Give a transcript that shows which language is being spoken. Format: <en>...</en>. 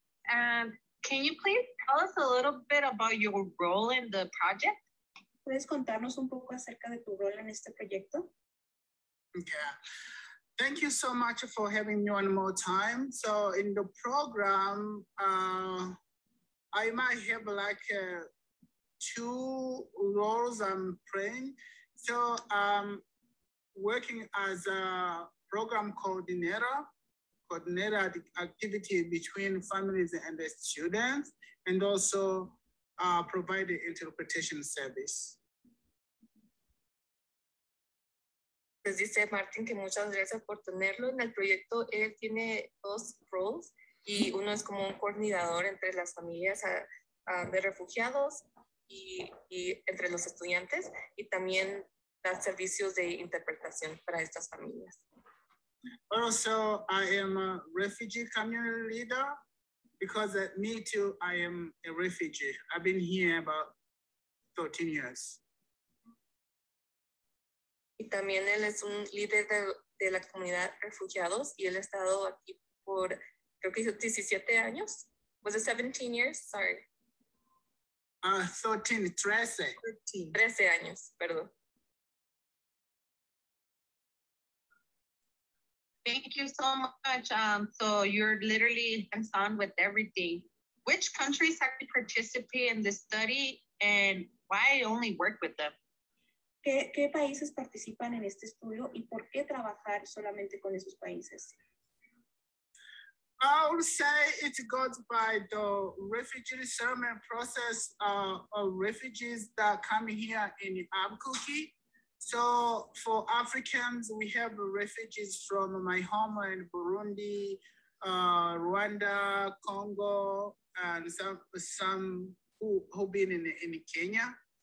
<en>Can you please tell us a little bit about your role in the project?</en> <es>¿Puedes contarnos un poco acerca de tu rol en este proyecto?</es> <en>Yeah. Thank you so much for having me one more time. So in the program, I might have like two roles I'm playing. So I'm working as a program coordinator the activity between families and the students, and also provide the interpretation service.</en> <es>Pues dice Martin que muchas gracias por tenerlo en el proyecto. Él tiene dos roles y uno es como un coordinador entre las familias de refugiados y entre los estudiantes, y también da servicios de interpretación para estas familias.</es> <en>Also, I am a refugee community leader because me too, I am a refugee. I've been here about 13 years.</en> <es>Y también él es un líder de la comunidad refugiados y él ha estado aquí por, creo que 17 años.</es> <en>Was it 17 years? Sorry.</en> <es>13 años, perdón.</es> <en>Thank you so much. So you're literally hands-on with everything. Which countries actually participate in this study and why only work with them?</en> <es>¿Qué países participan en este estudio y por qué trabajar solamente con esos países?</es> <en>I would say it goes by the refugee resettlement process of refugees that come here in Albuquerque. So for Africans, we have refugees from my homeland, Burundi, Rwanda, Congo, and some who been in Kenya.</en>